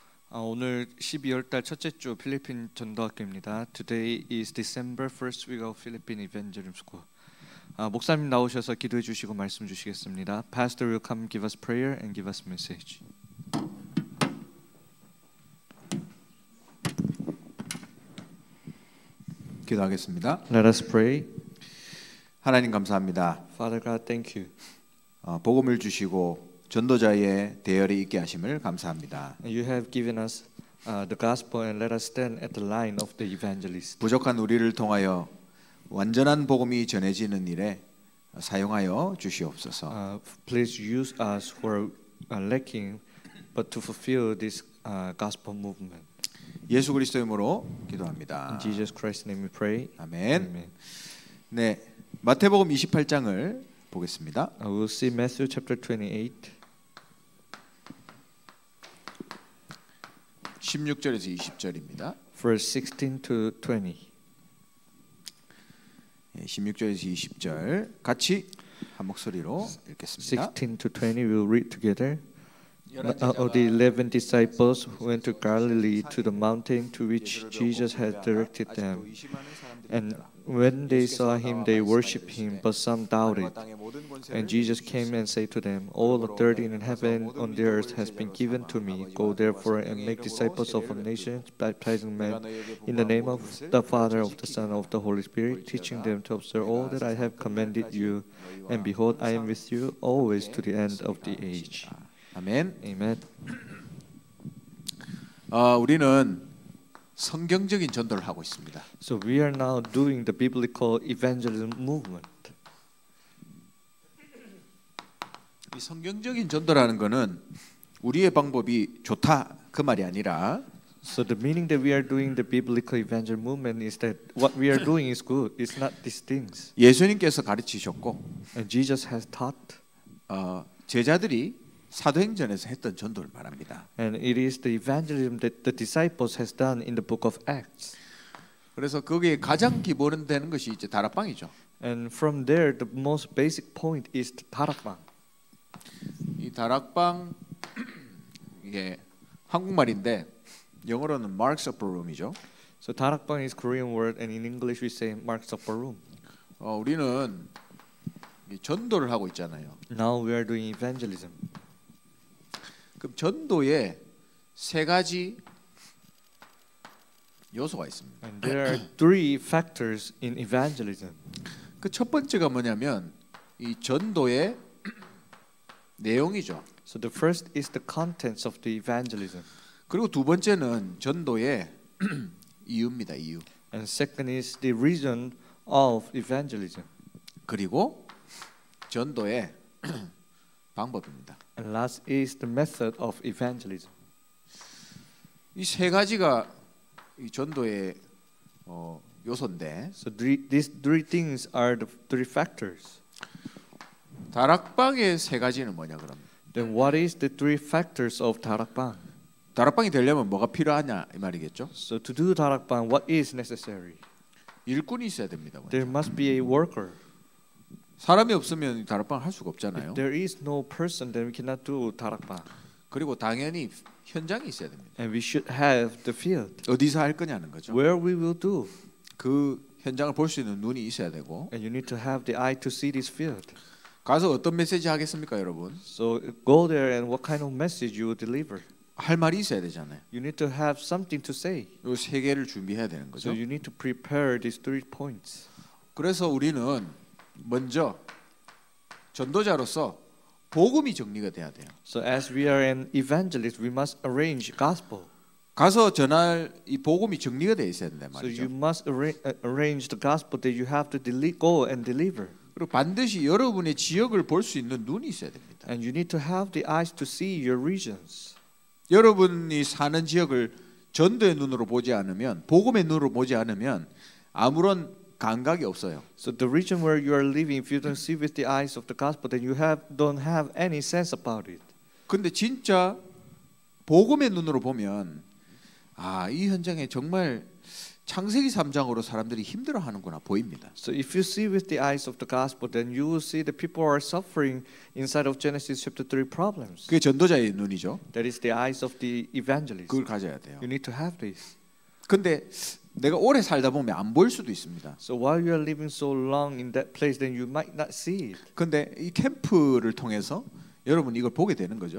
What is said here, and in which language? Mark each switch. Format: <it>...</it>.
<ko>오늘 12월 달 첫째 주 필리핀 전도학교입니다.</ko> <en>Today is December first week of Philippine Evangelism School.</en> <ko>목사님 나오셔서 기도해 주시고 말씀 주시겠습니다.</ko> <en>Pastor will come give us prayer and give us message.</en> <ko>기도하겠습니다.</ko> <en>Let us pray.</en> <ko>하나님 감사합니다.</ko> <en>Father God, thank you.</en> <ko>복음을 주시고 전도자의 대열이 있게 하심을 감사합니다.</ko> <en>You have given us the gospel and let us stand at the line of the evangelist.</en> <ko>부족한 우리를 통하여 완전한 복음이 전해지는 일에 사용하여 주시옵소서.</ko> <en>Please use us who are lacking but to fulfill this gospel movement.</en> <ko>예수 그리스도의 이름으로 기도합니다.</ko> <en>In Jesus Christ's name we pray.</en> <ko>아멘. 아멘. 네. 마태복음 28장을 보겠습니다.</ko> <en>We'll see Matthew chapter 28.</en> <ko>16절에서 20절입니다.</ko> <en>Verse 16 to 20.</en> <ko>16절에서 20절 같이 한 목소리로 읽겠습니다.</ko> <en>16 to 20 we'll read together. Of the 11 disciples went to Galilee to the mountain to which Jesus had directed them. And when they saw him, they worshipped him, but some doubted. And Jesus came and said to them, All authority in heaven on the earth has been given to me. Go therefore and make disciples of all nations, baptizing them in the name of the Father, of the Son, of the Holy Spirit, teaching them to observe all that I have commanded you. And behold, I am with you always to the end of the age.</en> <ko>아멘. 아멘. 우리는 성경적인 전도를 하고 있습니다.</ko> <en>So we are now doing the biblical evangelism movement.</en> <ko>이 성경적인 전도라는 것은 우리의 방법이 좋다 그 말이 아니라.</ko> <en>So the meaning that we are doing the biblical evangelism movement is that what we are doing is good. It's not these things.</en> <ko>예수님께서 가르치셨고.</ko> <en>And Jesus has taught.</en> <ko>제자들이 사도행전에서 했던 전도를 말합니다.</ko> <en>And it is the evangelism that the disciples has done in the book of Acts.</en> <ko>그래서 거기에 가장 기본은 되는 것이 이제 다락방이죠.</ko> <en>And from there the most basic point is the 다락방.</en> <ko>이 다락방 이게 한국말인데 영어로는 Mark's Upper Room이죠.</ko> <en>So 다락방 is Korean word and in English we say Mark's Upper Room.</en> <ko>우리는 전도를 하고 있잖아요.</ko> <en>Now we are doing evangelism.</en> <ko>그럼 전도에 세 가지 요소가 있습니다.</ko> <en>And there are three factors in evangelism.</en> <ko>그 첫 번째가 뭐냐면 이 전도의 내용이죠.</ko> <en>So the first is the contents of the evangelism.</en> <ko>그리고 두 번째는 전도의 이유입니다. 이유.</ko> <en>And second is the reason of evangelism.</en> <ko>그리고 전도의 방법입니다.</ko> <en>And last is the method of evangelism.</en> <ko>이 세 가지가 이 전도의 요소인데.</ko> <en>So these three things are the three factors.</en> <ko>다락방의 세 가지는 뭐냐 그럼?</ko> <en>Then what is the three factors of 다락방?</en> <ko>다락방이 되려면 뭐가 필요하냐 이 말이겠죠?</ko> <en>So to do 다락방, what is necessary?</en> <ko>일꾼이 있어야 됩니다. 먼저.</ko> <en>There must be a worker.</en> <ko>사람이 없으면 다락방 할 수가 없잖아요.</ko> <en>There is no person then we cannot do 다락방.</en> <ko>그리고 당연히 현장이 있어야 됩니다.</ko> <en>And we should have the field.</en> <ko>어디서 할 거냐는 거죠.</ko> <en>Where we will do.</en> <ko>그 현장을 볼 수 있는 눈이 있어야 되고.</ko> <en>And you need to have the eye to see this field.</en> <ko>가서 어떤 메시지 하겠습니까, 여러분?</ko> <en>So go there and what kind of message you will deliver?</en> <ko>할 말이 있어야 되잖아요.</ko> <en>You need to have something to say.</en> <ko>요 세 개를 준비해야 되는 거죠.</ko> <en>So you need to prepare these three points.</en> <ko>그래서 우리는 먼저 전도자로서 복음이 정리가 돼야 돼요.</ko> <en>So as we are an evangelist, we must arrange gospel.</en> <ko>가서 전할 이 복음이 정리가 돼 있어야 된단 말이죠.</ko> <en>So you must arrange the gospel that you have to go and deliver.</en> <ko>그리고 반드시 여러분의 지역을 볼 수 있는 눈이 있어야 됩니다.</ko> <en>And you need to have the eyes to see your regions.</en> <ko>여러분이 사는 지역을 전도의 눈으로 보지 않으면 복음의 눈으로 보지 않으면 아무런 감각이 없어요.</ko> <en>So the region where you are living, if you don't see with the eyes of the gospel, then you have don't have any sense about it.</en> <ko>근데 진짜 복음의 눈으로 보면, 이 현장에 정말 창세기 3장으로 사람들이 힘들어하는구나 보입니다.</ko> <en>So if you see with the eyes of the gospel, then you will see that people are suffering inside of Genesis chapter 3 problems.</en> <ko>그게 전도자의 눈이죠.</ko> <en>That is the eyes of the evangelist.</en> <ko>그걸 가져야 돼요.</ko> <en>You need to have this.</en> <ko>근데 내가 오래 살다 보면 안 보일 수도 있습니다.</ko> <en>So while you are living so long in that place, then you might not see it.</en> <ko>근데 이 캠프를 통해서 여러분 이걸 보게 되는 거죠.</ko>